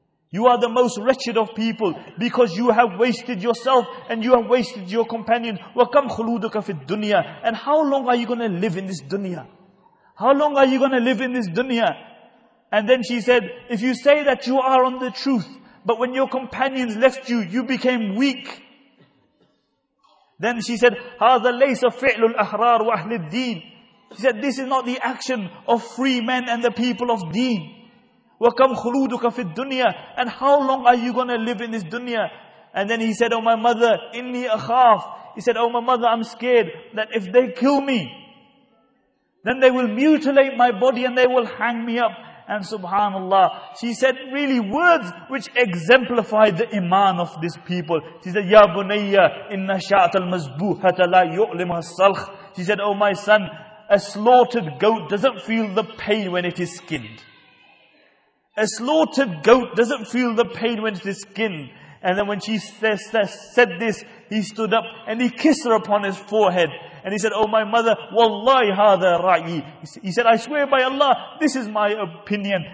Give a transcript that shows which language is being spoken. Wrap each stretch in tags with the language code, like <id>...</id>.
<en>You are the most wretched of people because you have wasted yourself and you have wasted your companion.</en> <ar>وَكَمْ خُلُودُكَ فِي الدُّنْيَا,</ar> <en>and how long are you going to live in this dunya? How long are you going to live in this dunya? And then she said, if you say that you are on the truth, but when your companions left you, you became weak. Then she said,</en> <ar>هَذَا لَيْسَ فِعْلُ الْأَحْرَارُ وَأَهْلِ الدِّينِ.</ar> <en>She said, this is not the action of free men and the people of deen.</en> <ar>وَكَمْ خُلُودُكَ فِي الدُّنْيَا,</ar> <en>and how long are you going to live in this dunya? And then he said, oh my mother,</en> <ar>إِنِّي أَخَافُ,</ar> <en>he said, oh my mother, I'm scared that if they kill me, then they will mutilate my body and they will hang me up. And subhanallah, she said really words which exemplify the iman of this people. She said,</en> <ar>يَا بُنَيَّ إِنَّ شَعْتَ الْمَزْبُوحَةَ لَا يُؤْلِمَ الصَّلْخِ.</ar> <en>She said, oh my son, a slaughtered goat doesn't feel the pain when it is skinned. A slaughtered goat doesn't feel the pain when it is skinned. And then when she said this, he stood up and he kissed her upon his forehead. And he said, oh my mother,</en> <ar>wallahi hadha ra'yi.</ar> <en>He said, I swear by Allah, this is my opinion.</en>